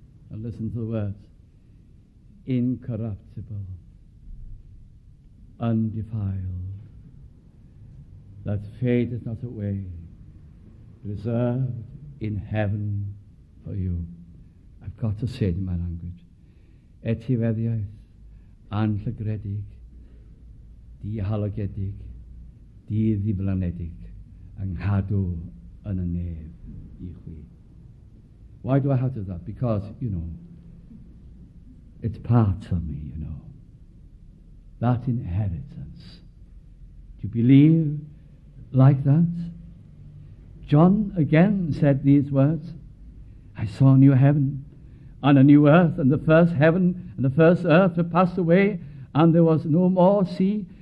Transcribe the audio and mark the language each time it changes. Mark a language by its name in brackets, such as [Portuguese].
[English] And listen to the words. Incorruptible. Undefiled. That fadeth not away. Reserved in heaven. For you, I've got to say it in my language. [Welsh] Etiweddiaeth anllygredig dihalogedig diddiflanedig anghadw yn y nef I chwi. [English] Why do I have to do that? Because, you know, it's part of me, you know. That inheritance. Do you believe like that? John again said these words. I saw a new heaven and a new earth, and the first heaven and the first earth had passed away, and there was no more sea.